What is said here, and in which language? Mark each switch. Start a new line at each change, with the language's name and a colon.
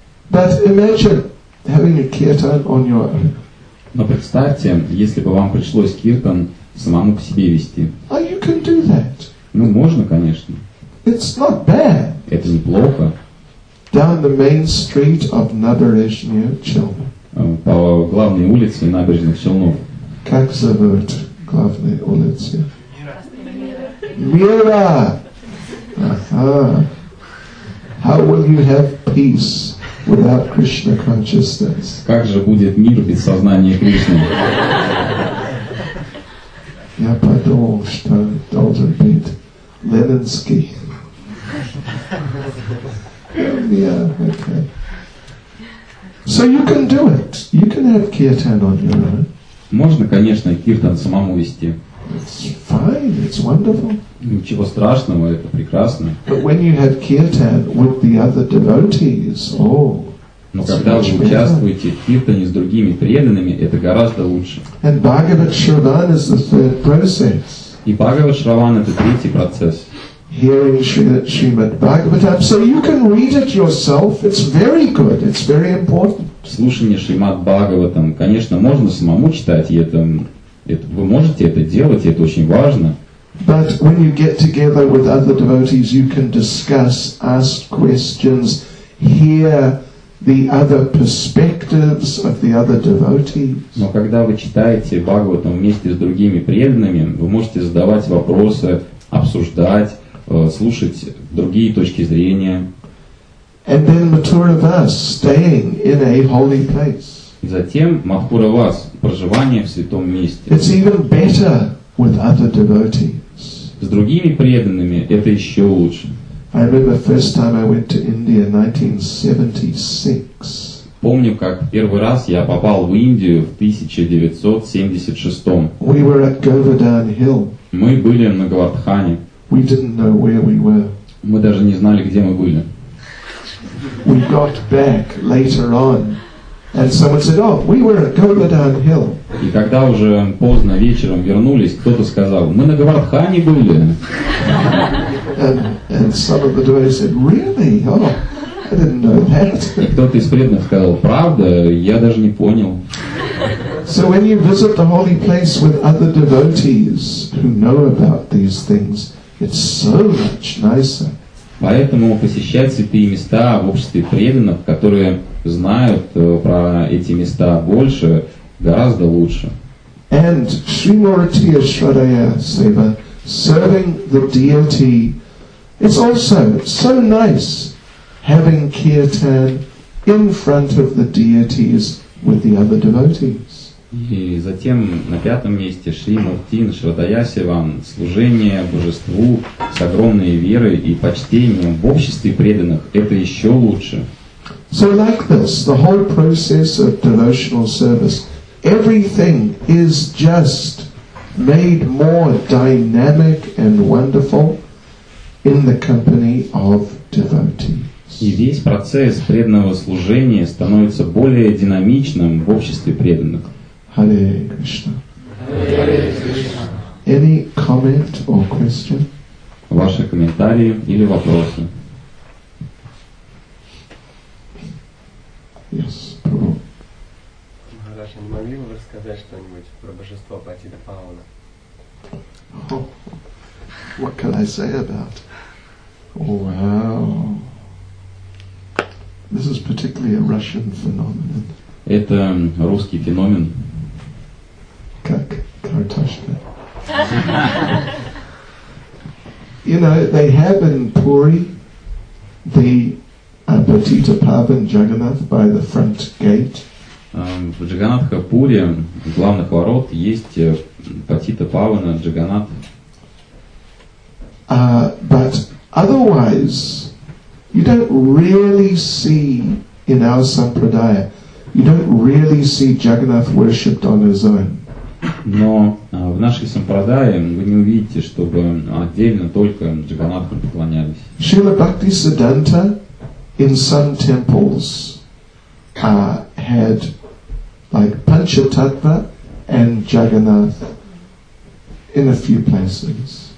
English: But imagine having a kirtan on your own.
Russian: Но представьте, если бы вам пришлось киртан самому к себе вести.
English: Oh, you can do that.
Russian: Ну, можно, конечно.
English: It's not bad.
Russian: Это неплохо.
English: Down the main street of Набережные Челны.
Russian: По главной улице Набережных Челнов. Как зовут главную улицу? Mira!
English: How will you have peace without Krishna consciousness?
Russian: Как же будет мир без сознания Кришны? Я подумал, что должен быть Ленинский.
English: Yeah, okay. So you can do it. You can have kirtan on your own.
Russian: Можно, конечно, киртан самому вести.
English: It's fine, it's wonderful.
Russian: Ничего страшного, это прекрасно.
English: But when you have kirtan with the other devotees, oh,
Russian: но когда вы участвуете в киртане с другими преданными, это гораздо лучше.
English: And Bhagavat Shravan is the third process.
Russian: И Bhagavat Shravan это третий процесс.
English: Hearing Srimad Bhagavatam, so you can read it yourself. It's very good. It's very important.
Russian: Слушание Шримад Бхагаватам, конечно, можно самому читать, и это вы можете это делать, и это очень важно.
English: But when you get together with other devotees, you can discuss, ask questions, hear the other perspectives of the other devotees.
Russian: Но когда вы читаете Бхагаватам вместе с другими преданными, вы можете задавать вопросы, обсуждать, слушать другие точки зрения.
English: And then Mathura Vas, staying in a holy place.
Russian: И затем Махпура Вас, проживание в святом месте.
English: It's even better with other devotees.
Russian: С другими преданными это еще лучше.
English: I remember the first time I went to India in 1976.
Russian: Помню, как первый раз я попал в Индию в 1976.
English: We were at Govardhan Hill.
Russian: Мы были на Говардхане.
English: We didn't know where we were.
Russian: Мы даже не знали, где мы были.
English: We got back later on, and someone said, "Oh, we were at Govardhan Hill."
Russian: И когда уже поздно вечером вернулись, кто-то сказал: "Мы на Говардхане были."
English: And some of the devotees said, "Really? Oh, I didn't know that."
Russian: И кто-то из преданных сказал: "Правда? Я даже не понял."
English: So when you visit the holy place with other devotees who know about these things, it's so much nicer.
Russian: Поэтому посещать святые места в обществе преданных, которые знают про эти места больше, гораздо лучше.
English: And Sri Mauritya Shraddhaya Seva, serving the deity, it's also so nice having kirtan in front of the deities with the other devotees.
Russian: И затем на пятом месте Шри Муртин Шрадая Севан, служение Божеству с огромной верой и почтением в обществе преданных, это еще лучше.
English: So like this, the whole process of devotional service, everything is just made more dynamic and wonderful in the company of devotees.
Russian: И весь процесс преданного служения становится более динамичным в обществе преданных.
English: Hare Krishna. Hare Krishna. Any comment or question?
Russian: Ваши комментарии или вопросы?
English: Yes, Prabhu.
Russian: Maharaj, не могли бы вы рассказать что-нибудь про божество Патита Павана?
English: Oh, what can I say about? Wow. This is particularly a Russian phenomenon.
Russian: Это русский феномен. Как Карташка.
English: You know, they have in Puri the Patita Pavan Jagannath by the front gate.
Russian: В Джаганнатха Пури, в главных ворот, есть Патита Павана Джаганнат.
English: But otherwise, you don't really see in our sampradaya, you don't really see Jagannath worshipped on his own.
Russian: Но в нашей сампрадае вы не увидите, чтобы отдельно только Джаганнатху поклонялись.
English: Шрила Бхакти Сиддханта in some temples had like Панчататва and Jagannath in a few places.